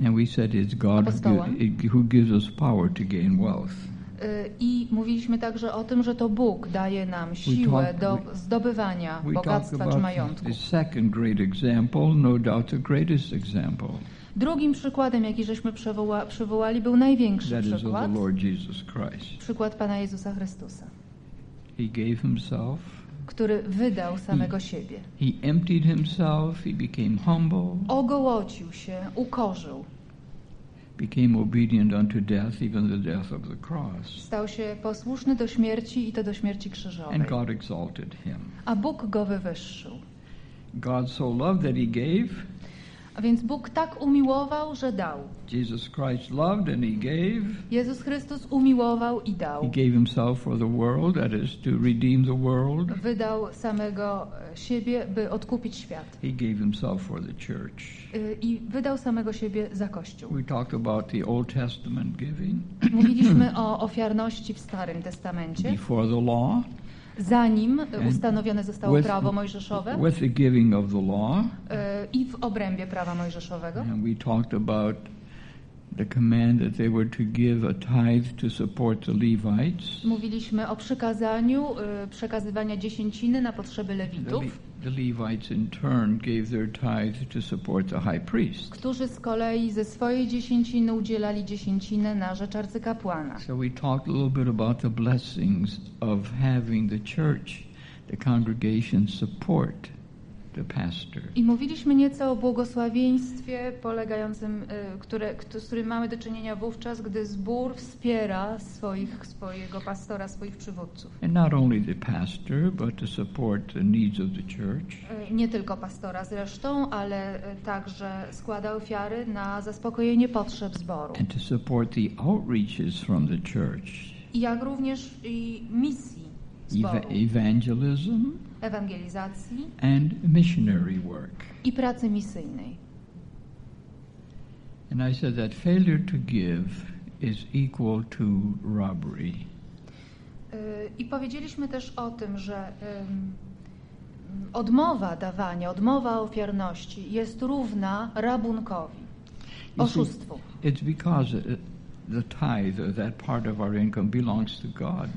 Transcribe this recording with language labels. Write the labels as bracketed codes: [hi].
[en] And we said it's God who gives us power to gain wealth. [pl] I mówiliśmy także o tym, że to Bóg daje nam siłę do zdobywania bogactwa czy majątku. [en] The second great example, no doubt the greatest example. [pl] Drugim przykładem, jaki żeśmy przywołali, był największy [en] that [pl] przykład. [en] Is of the Lord Jesus Christ. [pl] Przykład Pana Jezusa Chrystusa. [en] He gave himself. [pl] Który wydał samego siebie. [en] He emptied himself, he became humble. [pl] Ogołocił się, ukorzył. [en] Became obedient unto death, even the death of the cross. [pl] Stał się posłuszny do śmierci i to do śmierci krzyżowej. [en] And God exalted him. [pl] A Bóg go wywyższył. [en] God so loved that he gave. [pl] A więc Bóg tak umiłował, że dał. [en] Jesus Christ loved and he gave. [pl] Jezus Chrystus umiłował i dał. [en] He gave himself for the world, that is to redeem the world. [pl] Wydał samego siebie, by odkupić świat. [en] He gave himself for the church. [pl] I wydał samego siebie za Kościół. [en] We talked about the Old Testament giving. [pl] Mówiliśmy o ofiarności w Starym Testamencie. [en] Before the law. [pl] Zanim ustanowione zostało prawo Mojżeszowe, [en] with the giving of the law, [pl] i w obrębie prawa Mojżeszowego. [en] And we talked about the command that they were to give a tithe to support the Levites. [pl] Mówiliśmy o przykazaniu przekazywania dziesięciny na potrzeby Lewitów. [en] The Levites in turn gave their tithe to support the high priest. [pl] Którzy z kolei ze swojej dziesięciny udzielali dziesięcinę na rzecz arcykapłana. [en] So we talked a little bit about the blessings of having the church, the congregation support the pastor. [pl] I mówiliśmy nieco o błogosławieństwie polegającym, z którym mamy do czynienia wówczas, gdy zbór wspiera swojego pastora, swoich przywódców. [en] And not only the pastor, but to support the needs of the church. [pl] Nie tylko pastora zresztą, ale także składa ofiary na zaspokojenie potrzeb zboru. [en] And to support the outreaches from the church. [pl] Jak również i misji zboru. [en] Evangelism. [pl] Ewangelizacji [en] and missionary work. [pl] I pracy misyjnej. [en] And I said that failure to give is equal to robbery. [pl] I powiedzieliśmy też o tym, że odmowa dawania, odmowa ofiarności jest równa rabunkowi, oszustwu. [en] It's because the tithe, that part of our income belongs to God.